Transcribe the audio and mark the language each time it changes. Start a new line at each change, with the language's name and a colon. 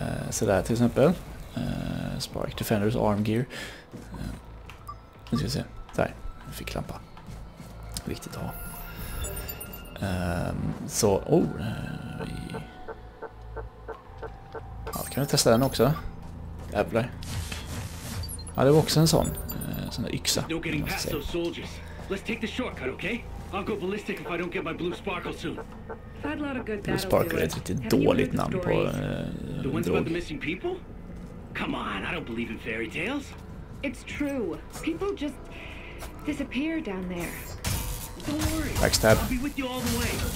Swedish: Så där till exempel. Spark Defenders Arm Gear. Nu ska vi se. Där, jag fick lampa. Viktigt att ha. Så, oh. Ja, kan vi testa den också? Äpplar. Ja, det var också en sån. Sån där yxa.
English: Don't get past those soldiers. Let's take the shortcut, okay? I'll go ballistic if I don't get my blue sparkle soon.
Swedish: Blue Sparkle är ett riktigt dåligt namn på drog.
English: Come on, I don't believe in fairy tales. It's true. People just disappear down there. Backstab. I'll be with you all the way.